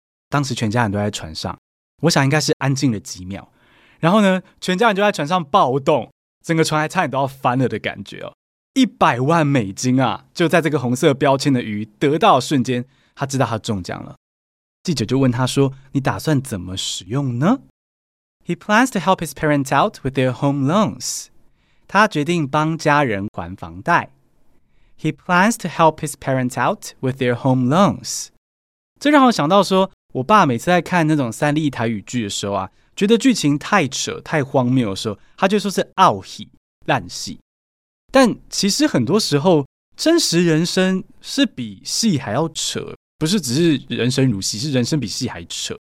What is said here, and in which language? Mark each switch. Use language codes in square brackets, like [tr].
[zh] 当时全家人都在船上，我想应该是安静了几秒，然后呢全家人就在船上暴动，整个船还差点都要翻了的感觉哦。 $100万啊，就在这个红色标签的鱼得到的瞬间，他知道他中奖了。记者就问他说，你打算怎么使用呢？ [en] He plans to help his parents out with their home loans. [zh] 他决定帮家人还房贷。 [en] He plans to help his parents out with their home loans. [zh] 这让我想到说，我爸每次在看那种三立台语剧的时候啊，觉得剧情太扯太荒谬的时候，他就说是傲戏烂戏。但其实很多时候真实人生是比戏还要扯，不是只是人生如戏，是人生比戏还扯。